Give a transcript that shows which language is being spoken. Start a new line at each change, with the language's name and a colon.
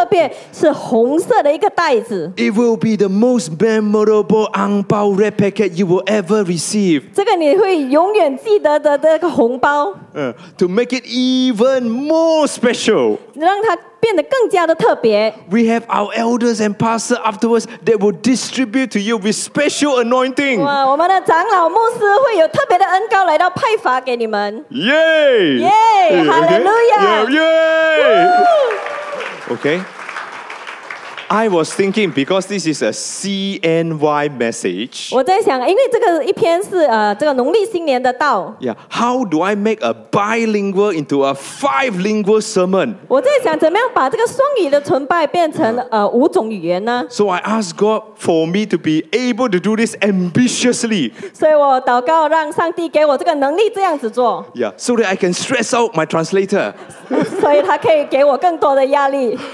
Chinese: 除了我们为大家准备了这个港仔，我们还有准备了一个非常特别，是红色的一个袋子。
English: It will be the most memorable ang bao red packet you will ever receive.
Chinese: 这个你会永远记得的这个红包。
English: To make it even more special.
Chinese: 让它变得更加的特别。
English: We have our elders and pastors afterwards that will distribute to you with special anointing.
Chinese: 哇，我们的长老牧师会有特别的恩膏来到派发给你们。
English: Yay! Yay! Hallelujah! Okay. Yeah, yay! Okay. I was thinking because this is a CNY message.
Chinese: 我在想，因为这个一篇是这个农历新年的道。
English: Yeah, how do I make a bilingual into a five-lingual sermon?
Chinese: 我在想怎么样把这个双语的崇拜变成五种语言呢？
English: So I asked God for me to be able to do this ambitiously.
Chinese: 所以我祷告让上帝给我这个能力这样子做。
English: Yeah, so that I can stress out my translator.
Chinese: 所以他可以给我更多的压力。